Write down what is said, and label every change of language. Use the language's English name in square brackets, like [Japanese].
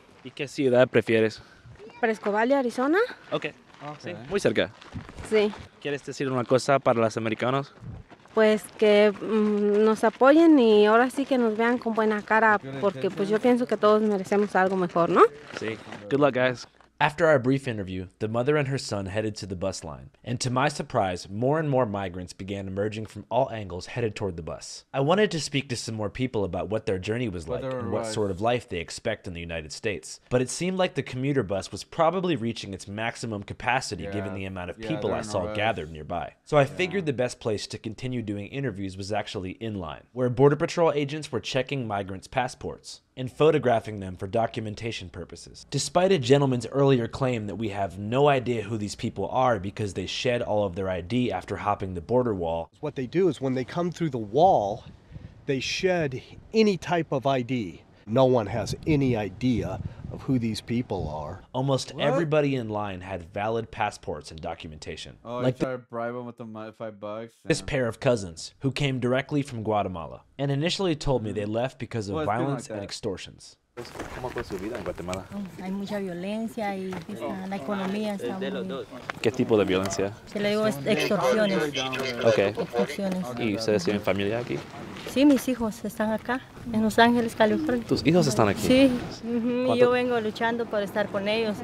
[Spanish] ¿Y qué ciudad prefieres? [English] Presco Valley, Arizona. [Spanish] Okay. Sí, muy cerca. Sí. ¿Quieres decir una cosa para los americanos? Pues que nos apoyen y ahora sí que nos vean con buena cara, porque pues yo pienso que todos merecemos algo mejor, ¿no? [English] Sí. Good luck, guys. After our brief interview, the mother and her son headed to the bus line. And to my surprise, more and more migrants began emerging from all angles headed toward the bus. I wanted to speak to some more people about what their journey was like and what sort of life they expect in the United States. But it seemed like the commuter bus was probably reaching its maximum capacity given the amount of people I saw gathered nearby. So I figured the best place to continue doing interviews was actually in line, where Border Patrol agents were checking migrants' passports and photographing them for documentation purposes. Despite a gentleman's earlier claim that we have no idea who these people are because they shed all of their ID after hopping the border wall. What they do is when they come through the wall, they shed any type of ID. No one has any idea of who these people are. Almost what? Everybody in line had valid passports and documentation. Oh, like you try to bribe them with the $5? Yeah. This pair of cousins, who came directly from Guatemala, and initially told me they left because of violence like and extortions. [Spanish] ¿Cómo fue su vida en Guatemala? Hay mucha violencia y la economía está muy... ¿Qué tipo de violencia? Se le digo extorsiones. Ok. Extorsiones. ¿Y ustedes tienen familia aquí? Sí, mis hijos están acá, en Los Ángeles, California. ¿Tus hijos están aquí? Sí. ¿Cuánto? Yo vengo luchando por estar con ellos.